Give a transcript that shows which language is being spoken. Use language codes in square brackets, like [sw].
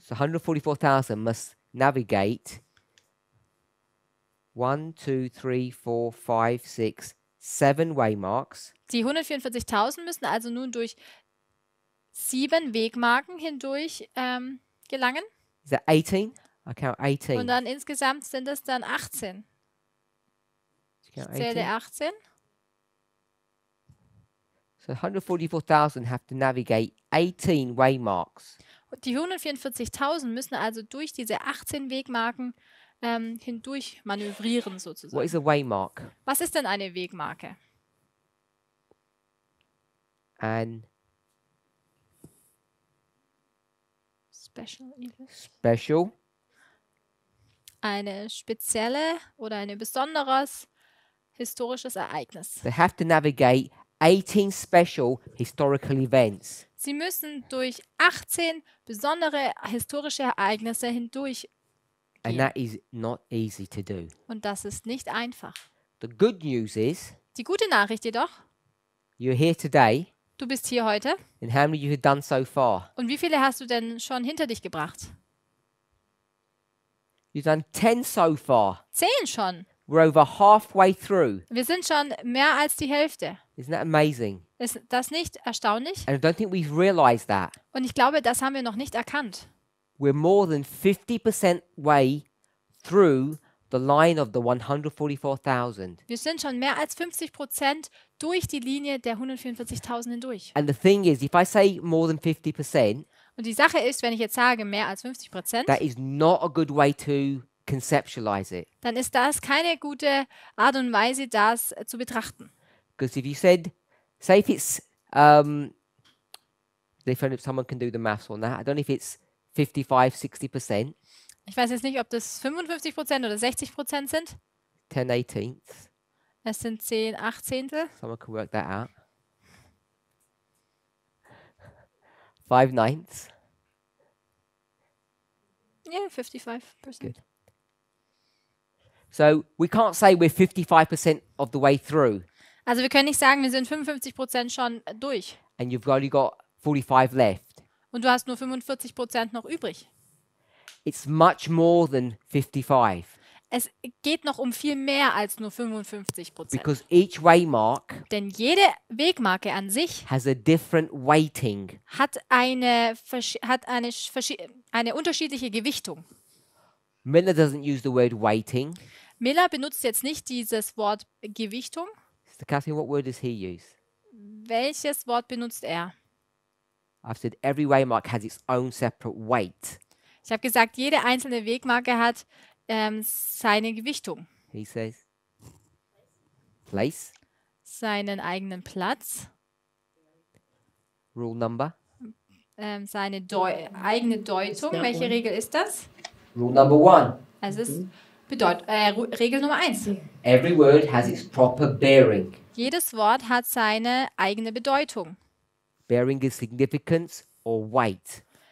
[en] So 144,000 must navigate 1, 2, 3, 4, 5, 6, 7 waymarks. [de] Die 144,000 müssen also nun durch 7 Wegmarken hindurch gelangen. [en] Is that 18? I count 18. [de] Und dann insgesamt sind es dann 18. Ich zähle 18. [en] So 144,000 have to navigate 18 waymarks. [de] Die 144,000 müssen also durch diese 18 Wegmarken hindurch manövrieren, sozusagen. [en] What is a waymark? [de] Was ist denn eine Wegmarke? [en] An special event. Special. [de] Eine spezielle oder ein besonderes historisches Ereignis. [en] They have to navigate 18 special historical events. [de] Sie müssen durch 18 besondere historische Ereignisse hindurch. [en] And that is not easy to do. [de] Und das ist nicht einfach. [en] The good news is. [de] Die gute Nachricht jedoch. [en] You're here today. [de] Du bist hier heute. [en] And how many you have done so far? [de] Und wie viele hast du denn schon hinter dich gebracht? [en] You've done 10 so far. [de] 10 schon. [en] We're over halfway through. [de] Wir sind schon mehr als die Hälfte. [en] Isn't that amazing? [de] Ist das nicht erstaunlich? [en] And I don't think we've realized that. [de] Und ich glaube, das haben wir noch nicht erkannt. [en] We're more than 50% way through the line of the 144,000. [de] Wir sind schon mehr als 50% durch die Linie der 144,000 hindurch. [en] And the thing is, if I say more than 50%, [de] und die Sache ist, wenn ich jetzt sage mehr als 50%, [en] that is not a good way to conceptualize it. [de] Dann ist das keine gute Art und Weise, das zu betrachten. [en] Because if you said, say if it's, if someone can do the maths on that, I don't know if it's 55-60%. [de] Ich weiß jetzt nicht, ob das 55% oder 60% sind. [en] 10/18. [de] Es sind 10/18. [en] Someone can work that out. 5/9. Yeah, 55%. Good. So we can't say we're 55% of the way through. [de] Also wir können nicht sagen, wir sind 55% schon durch. [en] And you've only got 45 left. [de] Und du hast nur 45% noch übrig. [en] It's much more than 55. [de] Es geht noch um viel mehr als nur 55%. [en] Because each waymark, [de] denn jede Wegmarke an sich, [en] has a different weighting. [de] Hat eine unterschiedliche Gewichtung. [en] Miller doesn't use the word weighting. [de] Miller benutzt jetzt nicht dieses Wort Gewichtung. [en] So Catherine, what word does he use? [de] Welches Wort benutzt er? [en] I've said every waymark has its own separate weight. [de] Ich habe gesagt, jede einzelne Wegmarke hat seine Gewichtung. [en] He says place. [de] Seinen eigenen Platz. [en] Rule number. [de] Seine eigene Deutung. Welche Regel ist das? [en] Rule number one. [de] Es ist Regel Nummer eins. [en] Every word has its proper bearing. [de] Jedes Wort hat seine eigene Bedeutung. [en] Bearing is significance or weight.